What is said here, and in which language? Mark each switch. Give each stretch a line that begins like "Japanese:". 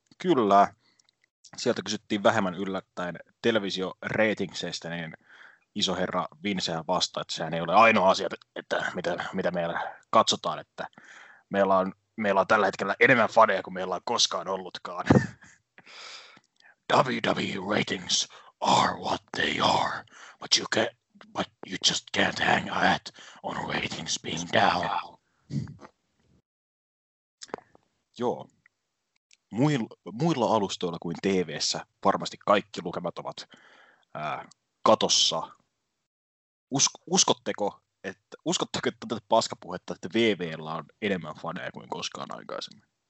Finnish: Kyllä, sieltä kysyttiin vähemmän yllättäen televisioreitingseistä, niin iso herra Vincehän vastaa, että sehän ei ole ainoa asia, että mitä meillä katsotaan, että meillä on tällä hetkellä enemmän faneja kuin meillä on koskaan ollutkaan.
English: WWE ratings are what they are, but you just can't hang that on ratings being down.
Finnish: Joo. Muilla alustoilla kuin TV:ssä varmasti kaikki lukemat ovat katossa. Uskotteko tätä paskapuhetta, että WWE:llä on enemmän faneja kuin koskaan aikaisemmin?